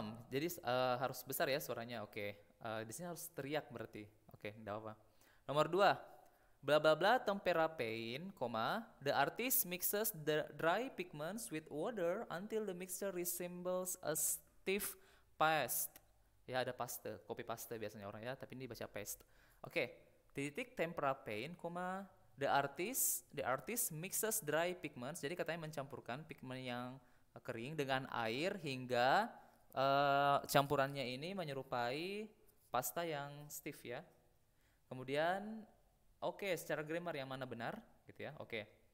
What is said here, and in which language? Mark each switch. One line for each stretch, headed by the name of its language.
Indonesian: Jadi harus besar ya suaranya. Oke. Di sini harus teriak berarti. Oke, enggak apa. Nomor 2.
English: Bla bla bla tempera paint, comma, the artist mixes the dry pigments with water until the mixture resembles a stiff paste.
Indonesian: Ya, ada paste, copy paste biasanya orang ya, tapi ini baca paste. Oke. Titik
English: tempera paint, comma, the artist mixes dry pigments.
Indonesian: Jadi katanya mencampurkan pigmen yang kering dengan air hingga campurannya ini menyerupai pasta yang stiff ya. Kemudian oke, secara grammar yang mana benar gitu ya. Oke.